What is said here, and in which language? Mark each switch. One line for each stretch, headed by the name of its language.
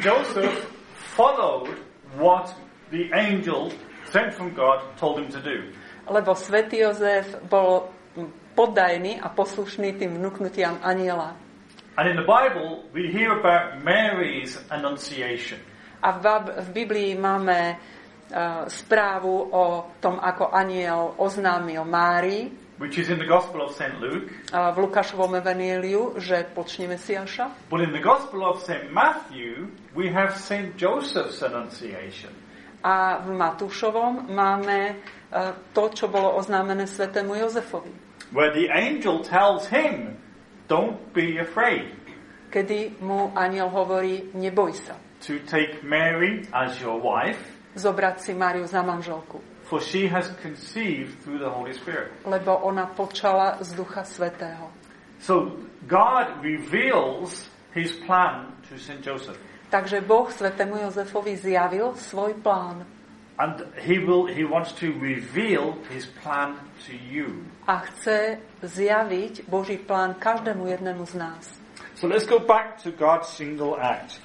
English: Joseph followed what the angel sent from God told him to do.
Slovak: Lebo svätý Jozef bol poddajný a poslušný tým vnuknutiam anjela.
English: And in the Bible, we hear about Mary's annunciation.
Slovak: A v Biblii máme správu o tom, ako anjel oznámil Márii.
English: Which is in the Gospel of St. Luke.
Slovak: V Lukášovom evanjeliu, že počne Mesiáša.
English: But in the Gospel of St. Matthew, we have St. Joseph's annunciation.
Slovak: A v Matúšovom máme to, čo bolo oznámené svätému Jozefovi.
English: Where the angel tells him, don't be afraid.
Slovak: Kedy mu anjel hovorí, neboj sa.
English: To take Mary as your wife.
Slovak: Zobrať si Máriu za manželku.
English: For she has conceived through the Holy Spirit.
Slovak: Lebo ona počala z Ducha Svätého.
English: So God reveals his plan to St. Joseph.
Slovak: Takže Boh svätému Jozefovi zjavil svoj plán.
English: And he wants to reveal his plan to you.
Slovak: A chce zjaviť Boží plán každému jednému z nás.
English: So let's go back to God's single act.